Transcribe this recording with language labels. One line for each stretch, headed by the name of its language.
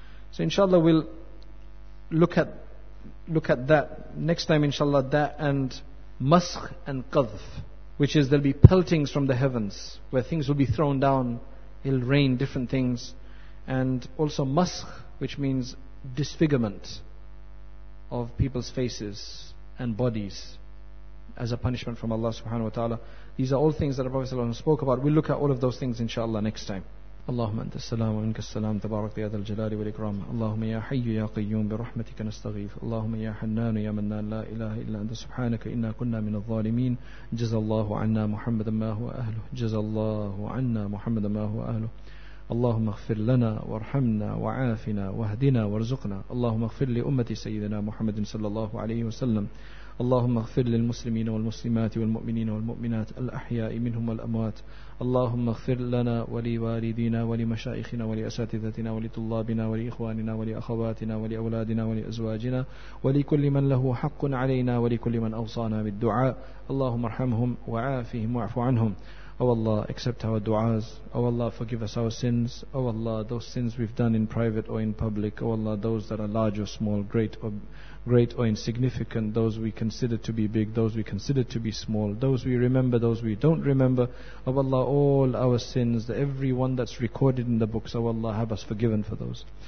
English: So inshallah we'll look at that next time, inshallah, that and maskh and qadhf, which is there'll be peltings from the heavens where things will be thrown down, it'll rain different things. And also maskh, which means disfigurement of people's faces and bodies as a punishment from Allah subhanahu wa ta'ala. These are all things that the Prophet ﷺ spoke about. We'll look at all of those things inshallah next time.
Arabic: اللهم أنت السلام ومنك السلام تبارك يا ذا الجلال والإكرام اللهم يا حي يا قيوم برحمتك نستغيث اللهم يا حنان يا منان لا إله إلا أنت سبحانك إنا كنا من الظالمين جزى الله عنا محمد ما هو أهله جزى الله عنا محمد ما هو أهله اللهم اغفر لنا وارحمنا وعافنا واهدنا وارزقنا اللهم اغفر لأمة سيدنا محمد صلى الله عليه وسلم اللهم اغفر للمسلمين والمسلمات والمؤمنين والمؤمنات الأحياء منهم والأموات اللهم اغفر لنا ولوالدينا ولمشايخنا ولأساتذتنا ولطلابنا ولإخواننا ولأخواتنا ولأولادنا ولأزواجنا ولكل من له حق علينا ولكل من أوصانا بالدعاء اللهم ارحمهم وعافهم واعف عنهم.
English: Oh Allah, accept our du'as. Oh Allah, forgive us our sins. Oh Allah, those sins we've done in private or in public. Oh Allah, those that are large or small, great or insignificant, those we consider to be big, those we consider to be small, those we remember, those we don't remember. Oh Allah, all our sins, every one that's recorded in the books, oh Allah, have us forgiven for those.